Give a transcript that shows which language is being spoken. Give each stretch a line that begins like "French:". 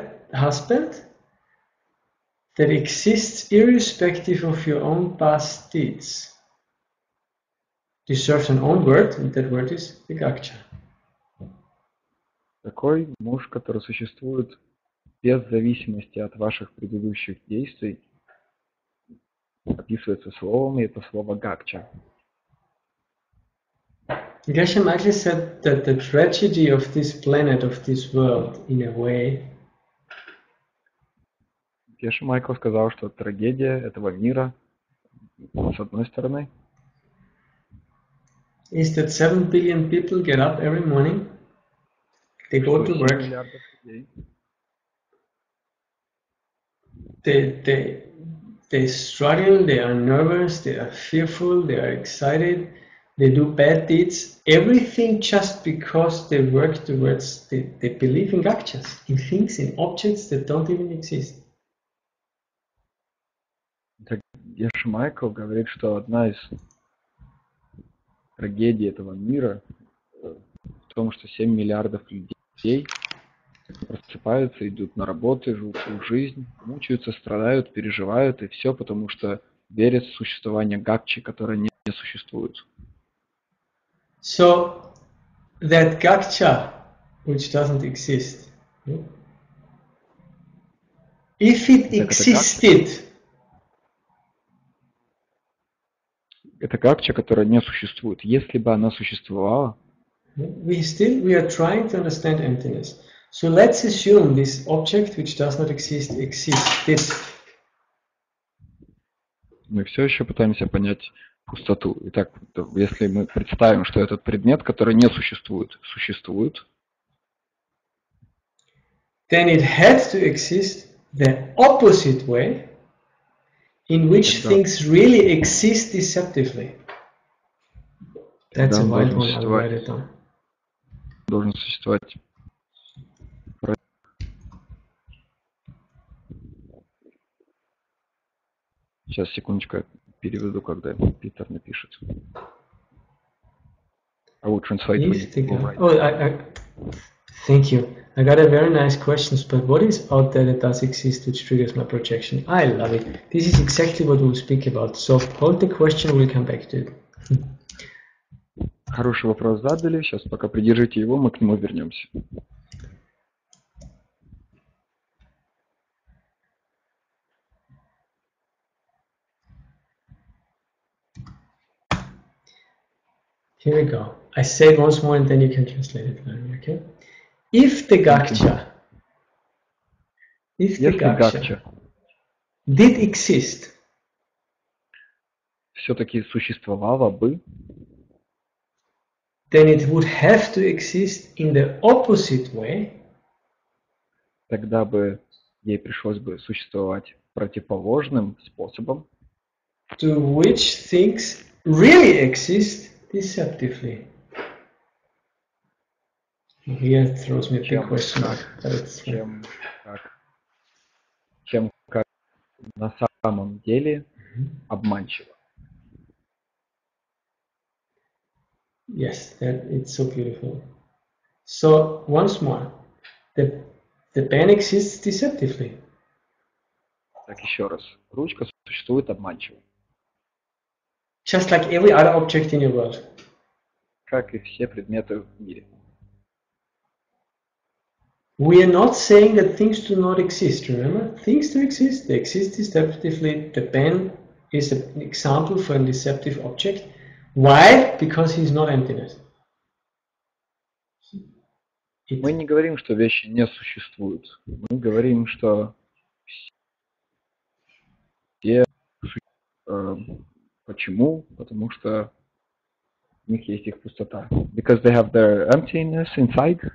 English: Husband that exists irrespective of your own past deeds deserves an own word, and that word is vigakcha.
Russian: Такой муж, который существует без зависимости от ваших предыдущих действий, описывается словом, и это слово гакча.
English: Geshe Michael said that the tragedy of this planet, of this world, in a way.
Russian: Геша Майкл сказал, что трагедия этого мира, с одной стороны,
English: is that 7 billion people get up every morning, they go to work, they struggle, they are nervous, they are fearful, they are excited, they do bad deeds, everything just because they work towards, they believe in gakchas, in things, in objects that don't even exist.
Russian: Геша Майкл говорит, что одна из трагедий этого мира в том, что 7 миллиардов людей просыпаются, идут на работу, живут свою жизнь, мучаются, страдают, переживают, и все потому, что верят в существование гакчи, которое не существует.
English: So, that gakcha, which doesn't exist, if it existed,
Russian: это гакча, которая не существует. Если бы она существовала,
English: we are trying to understand emptiness. So let's assume this object, which does not exist, existed.
Russian: Мы все еще пытаемся понять пустоту. Итак, если мы представим, что этот предмет, который не существует, существует,
English: then it had to exist the opposite way. In which things really exist deceptively. That's a wild one, I'll write it down.
Russian: Должен существовать сейчас секундочку, я переведу, когда Питер напишет.
English: I will translate Is for you. the All God? right. Oh, thank you. I got a very nice question, but what is out there that does exist which triggers my projection? I love it. This is exactly what we'll speak about. So hold the question, we'll come back to it.
Russian: Хороший вопрос задали. Сейчас пока придержите его, мы к нему вернемся.
English: Here we go. I say it once more and then you can translate it, okay? If the Gaksha, if the Gaksha did exist,
Russian: все-таки существовало бы,
English: then it would have to exist in the opposite way.
Russian: Тогда бы ей пришлось бы существовать противоположным способом.
English: To which things really exist deceptively. Here throws me a big question mark.
Russian: Чем как на самом деле обманчиво.
English: Yes, that it's so beautiful. So once more, the pen exists deceptively.
Russian: Так еще раз, ручка существует обманчиво.
English: Just like every other object in your world.
Russian: Как и все предметы в мире.
English: We are not saying that things do not exist. Remember, things do exist. They exist deceptively. The pen is an example for a deceptive object. Why? Because he is not emptiness.
Russian: Мы не говорим, что вещи не существуют. Мы говорим, что все почему? Потому что у них есть их пустота.
English: Because they have their emptiness inside.